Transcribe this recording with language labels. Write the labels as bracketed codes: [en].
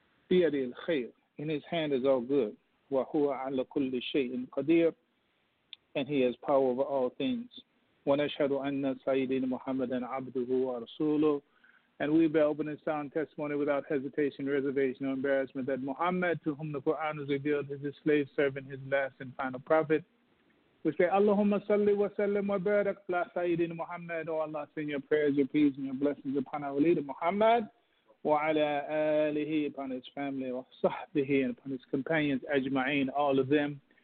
[ar] بِيَدِ الْخَيْرِ [en] In His hand is all good. [ar] وَهُوَ عَلَى كُلِّ شَيْءٍ قَدِيرٌ [en] And he has power over all things. [ar] وَنَشْهَدُ أَنَّ سَيِّدِينَ مُحَمَّدًا عَبْدُهُ وَرَسُولُهُ [en] And we bear open and sound testimony without hesitation, reservation, or embarrassment that Muhammad, to whom the Quran is revealed, is his slave servant, his last and final prophet. We say, [ar] اللهم صل وسلم وبارك على سيدنا محمد. [en] O Allah, send your prayers, your peace, and your blessings upon our leader Muhammad, [ar] وعلى آله, [en] upon his family, [ar] وصحبه, [en] and upon his companions, [ar] أجمعين, [en] all of them.